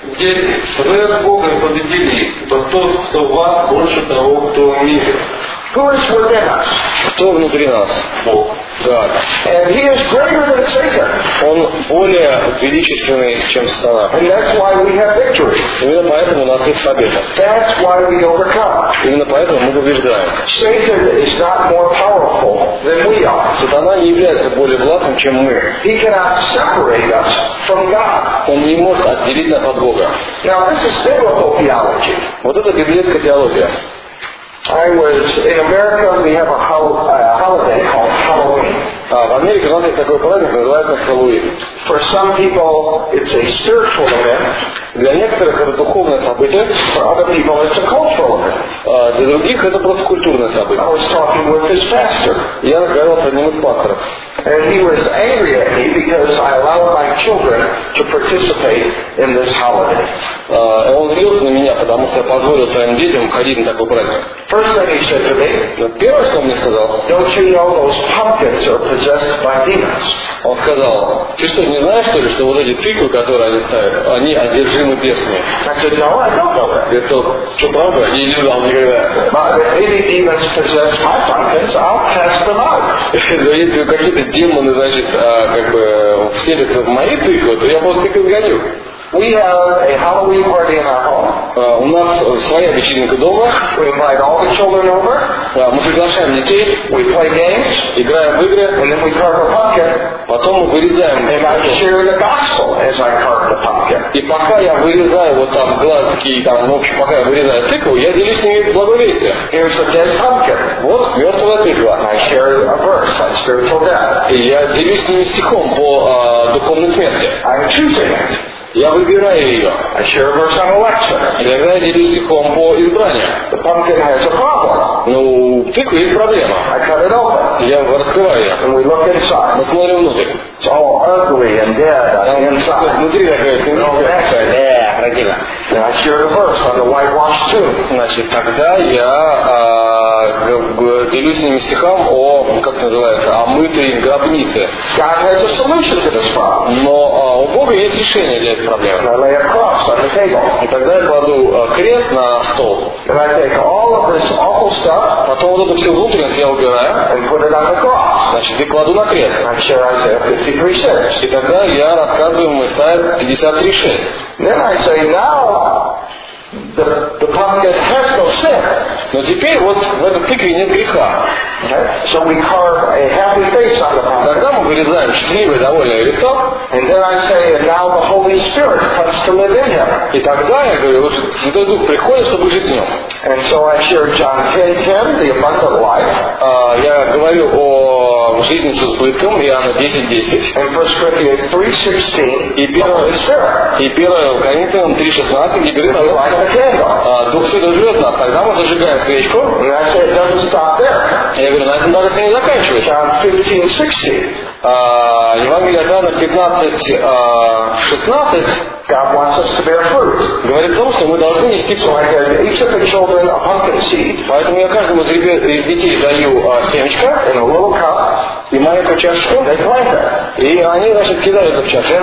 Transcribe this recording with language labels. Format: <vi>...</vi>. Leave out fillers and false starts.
<ru>Дети, вы от Бога победили, кто кто в вас больше того, кто в мире.</ru> <en>Who is within us?</en> <ru>Кто внутри нас? Бог.</ru> <en>God. And he is greater than Satan.</en> <ru>Он более величественный, чем сатана.</ru> <en>And that's why we have victory.</en> <ru>Именно поэтому у нас есть победа.</ru> <en>That's why we overcome.</en> <ru>Именно поэтому мы побеждаем.</ru> <en>Satan is not more powerful than we are.</en> <ru>Сатана не является более властным, чем мы.</ru> <en>He cannot separate us from God.</en> <ru>Он не может отделить нас от Бога.</ru> <en>Now this is biblical theology.</en> <ru>Вот это библейская теология.</ru> <en>I was in America. We have a holiday called Halloween.</en> <ru>В Америке у нас есть такой праздник, называется Хэллоуин.</ru> <en>For some people, it's a spiritual event.</en> <ru>Для некоторых это духовное событие.</ru> <en>For other people, it's a cultural event.</en> <ru>Для других это просто культурное событие.</ru> <en>I was talking with his pastor.</en> <ru>Я разговаривал с одним из пасторов.</ru> <en>And he was angry at me because I allowed my children to participate in this holiday.</en> <ru>Он злился на меня, потому что я позволил своим детям ходить на такой праздник.</ru> <en>First thing he said to me.</en> <ru>Первое, что он мне сказал.</ru> <en>Don't you know those pumpkins are possessed by demons?</en> <ru>Он сказал, ты что, не знаешь, что ли, что вот эти тыквы, которые они ставят, они одержимы бесами?</ru> <en>I said, no, I don't know that.</en> <ru>Я сказал, что правда? Я не знал никогда.</ru> <en>But if any demons possess my pumpkins, I'll cast them out.</en> <ru>Но если какие-то демоны, значит, как бы вселятся в мои тыквы, то я просто их изгоню.</ru> <en>We have a Halloween party in our home.</en> <ru>У нас своя вечеринка дома.</ru> <en>We invite all the children over.</en> <ru>Мы приглашаем детей.</ru> <en>We play games.</en> <ru>Играем в игры.</ru> <en>And then we carve a pumpkin.</en> <ru>Потом мы вырезаем.</ru> <en>And I share the gospel as I carve the pumpkin.</en> <ru>И пока я вырезаю вот там глазки и там, в общем, пока я вырезаю тыкву, я делюсь с ними благовестие.</ru> <en>Here's a dead pumpkin.</en> <ru>Вот мертвая тыква.</ru> <en>And I share a verse on spiritual death.</en> <ru>И я делюсь с ними стихом по духовной смерти.</ru> <en>I'm choosing it.</en> <ru>Я выбираю ее.</ru> <en>I share a verse on election.</en> <ru>Иногда я делюсь стихом по избранию.</ru> <en>The pumpkin has a problem.</en> <ru>Ну, у тыквы есть проблема.</ru> <en>I cut it open.</en> <ru>Я раскрываю ее.</ru> <en>And we look inside.</en> <ru>Мы смотрим внутрь.</ru> <en>It's all ugly and dead on the inside.</en> <ru>Внутри такая синяя. Родина.</ru> <en>And I share a verse on the whitewashed tomb.</en> <ru>Значит, тогда я делюсь с ними стихом о, как называется, о мытой гробнице.</ru> <en>God has a solution to this problem.</en> <ru>Но у Бога есть решение для этой проблемы.</ru> <en>And I lay a cross on the table.</en> <ru>И тогда я кладу крест на стол.</ru> <en>And I take all of this awful stuff.</en> <ru>Потом вот эту всю внутренность я убираю.</ru> <en>And put it on the cross.</en> <ru>Значит, и кладу на крест.</ru> <en>And I share Isaiah 53:6.</en> <ru>И тогда я рассказываю ему Исаия 53:6.</ru> <en>Then I say, now the pumpkin has no sin.</en> <ru>Но теперь вот в этой тыкве нет греха.</ru> <en>Okay. So we carve a happy face on the pumpkin.</en> <ru>Тогда мы вырезаем счастливое, довольное лицо.</ru> <en>And then I say, and now the Holy Spirit comes to live in him.</en> <ru>И тогда я говорю, вот Святой Дух приходит, чтобы жить в нем.</ru> <en>And so I share John 10:10, the abundant life.</en> <ru>Я говорю о жизни с избытком, Иоанна 10:10.</ru> <en>And 1 Corinthians 3:16, the Holy Спирит.</en> <ru>И 1 Corinthians 3:16, говорит о том, Дух Святой живет в нас. Тогда мы зажигаем свечку.</ru> <en>And I say, it doesn't stop there.</en> <ru>Я говорю, на этом даже все не заканчивается.</ru> <en>John 15:16.</en> <ru>Евангелие от Иоанна 15:16.</ru> <en>God wants us to bear fruit.</en> <ru>Говорит о том, что мы должны нести плод.</ru> <en>So I each of the children a pumpkin seed.</en> <ru>Поэтому я каждому из детей даю семечко.</ru> <en>In a little cup.</en> <ru>И маленькую чашечку.</ru> <en>They plant it.</en> <ru>И они, значит, кидают это в чашечку.</ru>